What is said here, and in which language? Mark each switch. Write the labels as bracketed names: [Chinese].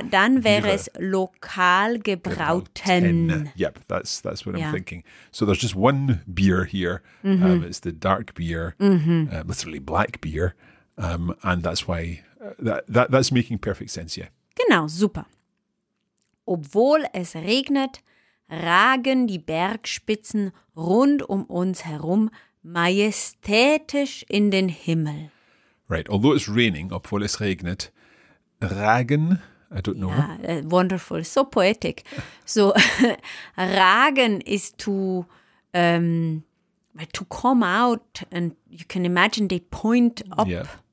[German] Ah, dann wäre es lokal gebrauten. [English] Yep, that's what I'm thinking. So there's just one beer here. Mm-hmm. It's the dark beer, literally black beer. And that's why, that's making perfect sense, yeah. [German] Genau, super. Obwohl es regnet, ragen die Bergspitzen rund um uns herum majestätisch in den Himmel. [English] Right, although it's raining, [German] obwohl es regnet, ragen, [English] I don't know. Yeah, wonderful, so poetic. So, ragen is to come out, and you can imagine they point up. Yeah,